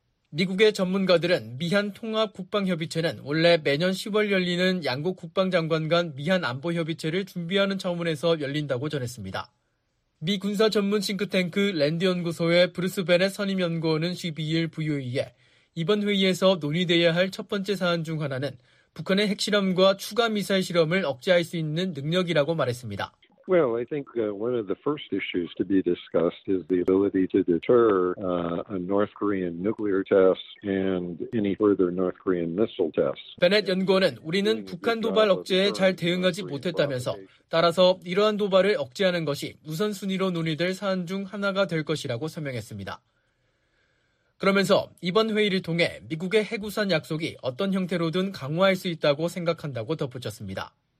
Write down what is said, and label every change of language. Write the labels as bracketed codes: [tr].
[ko] 미국의 전문가들은 미한 통합 국방협의체는 원래 매년 10월 열리는 양국 국방장관 간 미한 안보협의체를 준비하는 차원에서 열린다고 전했습니다. 미 군사 전문 싱크탱크 랜드 연구소의 브루스 베넷 선임 연구원은 12일 VOA에 이번 회의에서 논의되어야 할 첫 번째 사안 중 하나는 북한의 핵실험과 추가 미사일 실험을 억제할 수 있는 능력이라고 말했습니다. [en] Well, I think one of the first issues to be discussed is the ability to deter a North Korean nuclear test and any further North Korean missile test. [ko] 베넷 연구원은 우리는 북한 도발 억제에 잘 대응하지 못했다면서 따라서 이러한 도발을 억제하는 것이 우선순위로 논의될 사안 중 하나가 될 것이라고 설명했습니다. 그러면서 이번 회의를 통해 미국의 핵우산 약속이 어떤 형태로든 강화할 수 있다고 생각한다고 덧붙였습니다.